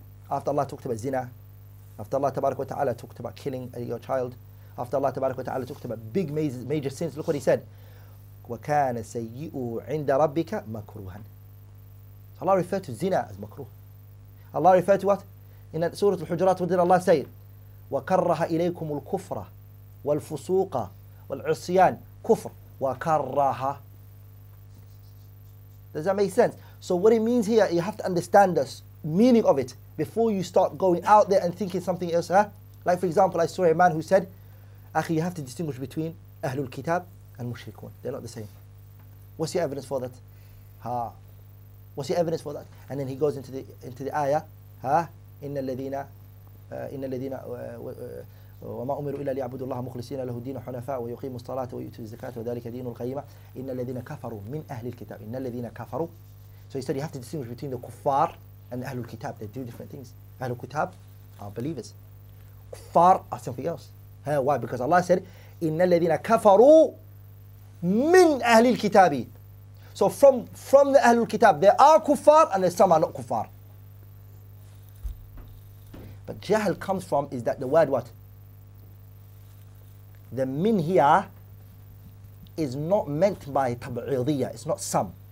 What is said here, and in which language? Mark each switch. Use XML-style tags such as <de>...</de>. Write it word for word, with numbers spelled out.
<en>After Allah talked about zina, after Allah tabarak wa ta'ala talked about killing your child, after Allah tabarak wa ta'ala talked about big major, major sins, look what He said.</en> <ar>وَكَانَ سَيِّئُ عِنْدَ رَبِّكَ مَكْرُوهًا.</ar> <en>So Allah referred to zina as makruh. Allah referred to what? In Surah Al-Hujurat, what did Allah say?</en> <ar>وَكَرَّهَ إِلَيْكُمُ الْكُفْرَ وَالْفُسُوقَ والعصيان كفر وكرها.</ar> <en>Does that make sense? So what it means here, you have to understand the meaning of it before you start going out there and thinking something else. Huh? Like for example, I saw a man who said, "Akhi, you have to distinguish between Ahlul Kitab and Mushrikun. They're not the same. What's your evidence for that? Ha? What's your evidence for that?" And then he goes into the into the ayah.</en> <ar>Ha? Inna alladhina, inna alladhina. وما أمروا إلا ليعبدوا الله مخلصين له الدين حنفاء ويقيموا الصلاة ويؤتوا الزكاة وذلك دين القيمة إن الذين كفروا من أهل الكتاب إن الذين كفروا.</ar> <en>So he said you have to distinguish between the kuffar and أهل الكتاب. They do different things. أهل الكتاب are believers. Kuffar are something else. Huh? Why? Because Allah said</en> <ar>إن الذين كفروا من أهل الكتاب.</ar> <en>So from from the أهل الكتاب there are kuffar and some are not kuffar. But jahl comes from is that the word what? The min here is not meant by tab'idiyya, it's not some.</en>